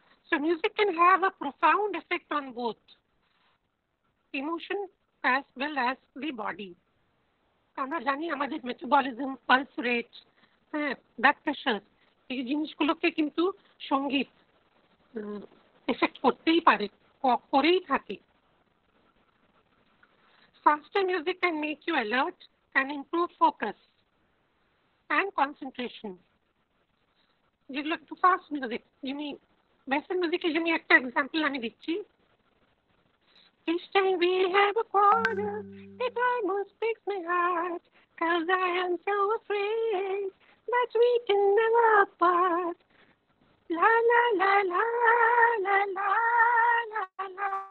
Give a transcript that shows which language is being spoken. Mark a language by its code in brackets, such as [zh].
[en] So music can have a profound effect on both emotion as well as the body. [bn] আমরা জানি আমাদের metabolism, pulse rate, হ্যাঁ, blood pressure, এই জিনিসগুলোকে কিন্তু সঙ্গীত এফেক্ট করতেই পারে, করেই থাকে। [en] Faster music can make you alert and improve focus and concentration. [bn] যেগুলো একটু ফাস্ট মিউজিক, যেমনি ওয়েস্টার্ন মিউজিকের জন্য একটা এক্সাম্পল আমি দিচ্ছি। [en] This time we have a quarter, it almost breaks my heart, 'cause I am so afraid that we can never part. La la la la la la la la.